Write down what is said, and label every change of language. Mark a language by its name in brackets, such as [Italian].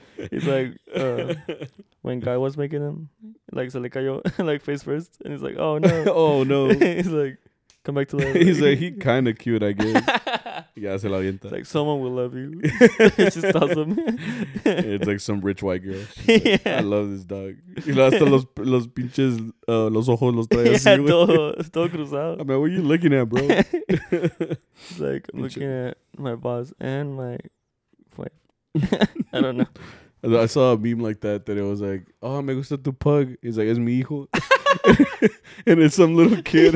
[English] He's like, when Guy was making them, like, [Spanish] se le cayó, [English] like face first. And he's like, oh no. Oh no. He's like, come back to life. He's like, he kind of cute, I guess. [Spanish] Yeah, se la avienta. [English] It's like, someone will love you. It's just awesome. It's like some rich white girl. Yeah. Like, I love this dog. [Spanish] Y hasta los pinches, los ojos los trae así. Yeah, todo cruzado. [English] I mean, what are you looking at, bro? He's like, I'm looking at my boss and my wife. I don't know. I saw a meme like that it was like, oh, [Spanish] me gusta tu pug. [English] He's like, [Spanish] es mi hijo. [English] And it's some little kid.